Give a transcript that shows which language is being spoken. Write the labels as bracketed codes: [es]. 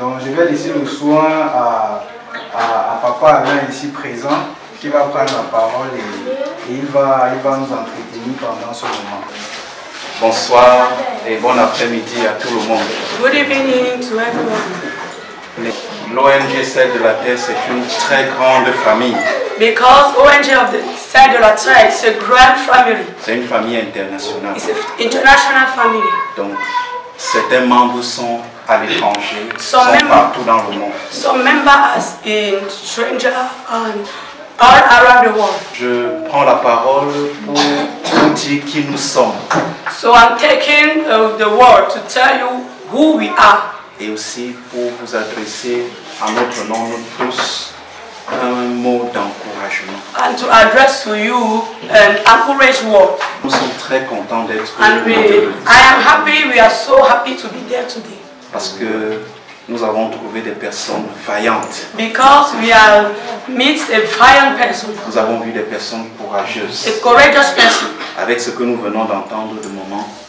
[fr] Donc je vais laisser le soin à papa Alain ici présent qui va prendre la parole et il va nous entretenir pendant ce moment. Bonsoir et bon après-midi à tout le monde. [en] Good evening to everyone. [fr] L'ONG Celle de la Terre, c'est une très grande famille. [en] Because ONG of the Celle de la Terre is a grand family. [fr] C'est une famille internationale. [en] It's an international family. [fr] Donc certains membres sont à l'étranger, sont partout dans le monde. [en] Some members in stranger and all around the world. [fr] Je prends la parole pour vous dire qui nous sommes. [en] So I'm taking the word to tell you who we are. [fr] Et aussi pour vous adresser à notre nom nous tous un mot d'encouragement. [en] And to address to you an encouragement word. [fr] Nous sommes très contents d'être ici. [en] And we are so happy to be there today. [fr] Parce que nous avons trouvé des personnes vaillantes. [en] Because we have met a valiant person. [fr] Nous avons vu des personnes courageuses. [en] A courageous person. [fr] Avec ce que nous venons d'entendre de moment.